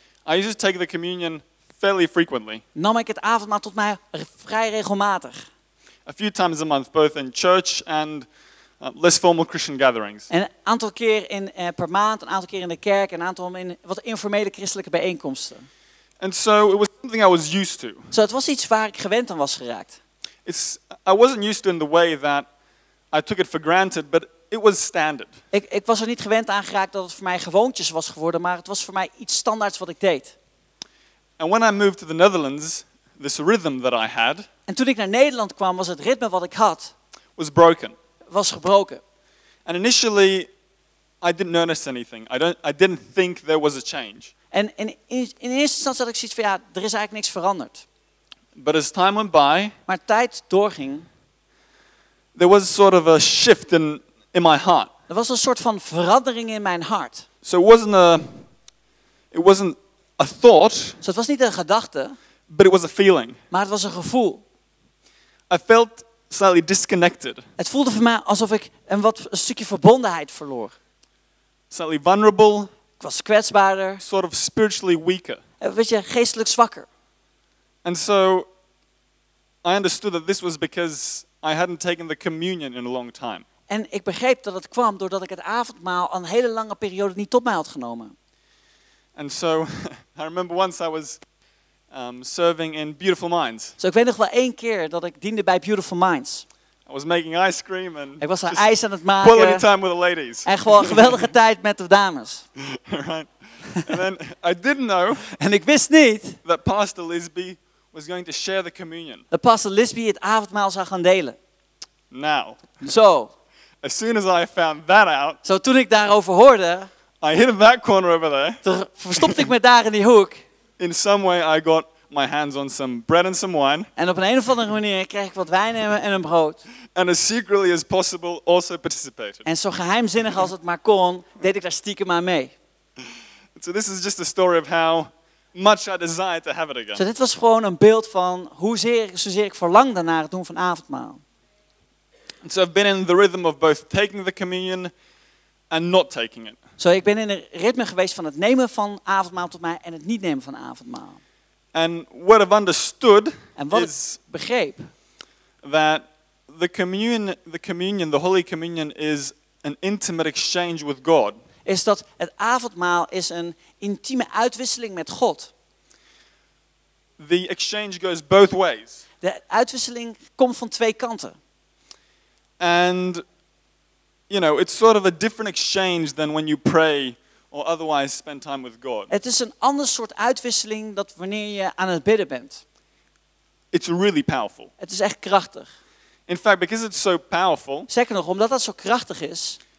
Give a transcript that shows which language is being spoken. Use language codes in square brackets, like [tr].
[en] I used to take the communion fairly frequently. [nl] Nam ik het avondmaal tot mij vrij regelmatig. [en] A few times a month, both in church and less formal Christian gatherings. [nl] En een aantal keer in per maand, een aantal keer in de kerk, een aantal in wat informele christelijke bijeenkomsten. [en] And so it was something I was used to. [nl] Zo, het was iets waar ik gewend aan was geraakt. [en] It's, I wasn't used to in the way that I took it for granted, but it was standard. [nl] Ik was er niet gewend aan geraakt dat het voor mij gewoontjes was geworden, maar het was voor mij iets standaards wat ik deed. [en] And when I moved to the Netherlands, this rhythm that I had. [nl] En toen ik naar Nederland kwam, was het ritme wat ik had. [en] Was broken. [nl] Was gebroken. [en] And initially, I didn't notice anything. I didn't think there was a change. [nl] En in eerste instantie had ik zoiets van ja, er is eigenlijk niks veranderd. [en] But as time went by, [nl] maar tijd doorging, [en] there was sort of a shift in my heart. [nl] Er was een soort van verandering in mijn hart. [en] So it wasn't a thought. [nl] So het was niet een gedachte. [en] But it was a feeling. [nl] Maar het was een gevoel. [en] I felt slightly disconnected. [nl] Het voelde voor mij alsof ik een stukje verbondenheid verloor. [en] Slightly vulnerable. [nl] Ik was kwetsbaarder. [en] Sort of spiritually weaker. [nl] Een beetje geestelijk zwakker. [en] And so I understood that this was because I hadn't taken the communion in a long time. [nl] En ik begreep dat het kwam doordat ik het avondmaal een hele lange periode niet tot mij had genomen. [en] And so I remember once I was serving in Beautiful Minds. [nl] Zo, ik weet nog wel één keer dat ik diende bij Beautiful Minds. [en] I was making ice cream and [nl] ik was daar ijs aan het maken. [en] Quality time with the ladies. [nl] En gewoon geweldige tijd met de dames. [en] Right. And then I didn't know. [nl] En ik wist niet [en] that Pastor Lisby was going to share the communion. [nl] Dat Pastor Lisby het avondmaal zou gaan delen. [en] Now. [nl] Zo. [en] As soon as I found that out. [nl] Zo, toen ik daarover hoorde. [en] I hid in that corner over there. [nl] Toen verstopte ik me daar in die hoek. [en] In some way I got my hands on some bread and some wine. [nl] En op een of andere manier kreeg ik wat wijn en een brood. [en] And as secretly as possible also participated. [nl] En zo geheimzinnig als het maar kon, deed ik daar stiekem aan mee. [en] So this is just a story of how much I desire to have it again. [nl] Zo, dit was gewoon een beeld van zozeer ik verlangde naar het doen van avondmaal. [en] And so I've been in the rhythm of both taking the communion and not taking it. [nl] Zo, ik ben in het ritme geweest van het nemen van avondmaal tot mij en het niet nemen van avondmaal. [en] And what I've understood [nl] en wat [en] is [nl] ik begreep [en] that the communion, the Holy Communion is an intimate exchange with God. [nl] Is dat het avondmaal is een intieme uitwisseling met God. [en] The exchange goes both ways. [nl] De uitwisseling komt van twee kanten. [en] And you know, it's sort of a different exchange than when you pray or otherwise spend time with God. [nl] Het is een ander soort uitwisseling dan wanneer je aan het bidden bent. [en] It's really powerful. [nl] Het is echt krachtig. [en] In fact, because it's so powerful. [nl] Zeker nog, omdat dat zo krachtig is.